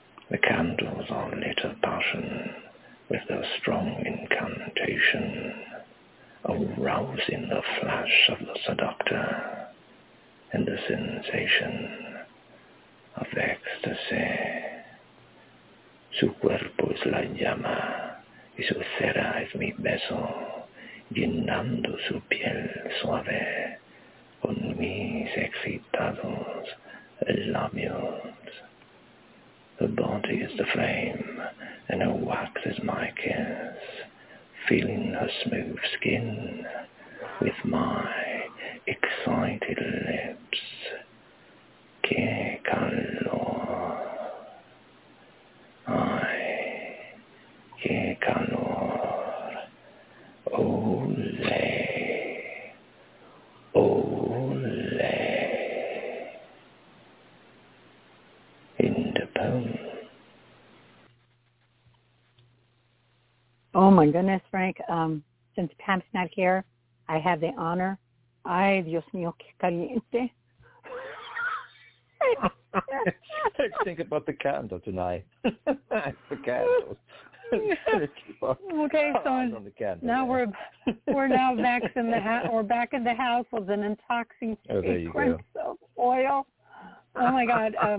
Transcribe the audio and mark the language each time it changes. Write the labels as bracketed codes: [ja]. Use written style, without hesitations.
[en] The candles are lit of passion with their strong incantation, arousing the flash of the seductor and the sensation of ecstasy. [es] Su cuerpo es la llama y su cera es mi beso, llenando su piel suave con mis excitados labios. [en] Her body is the flame, and her wax is my kiss, feeling her smooth skin with my excited lips. [es] Que calor. Ay, que calor. Olé. Olé. [en] In the poem. Oh, my goodness, Frank. Since Pam's not here, I have the honor. [es] Ay, Dios mío, qué caliente. [en] I think about the candle tonight. The candle. Okay, so now we're back in the we're back in the house with an intoxicating oil. Oh, my God.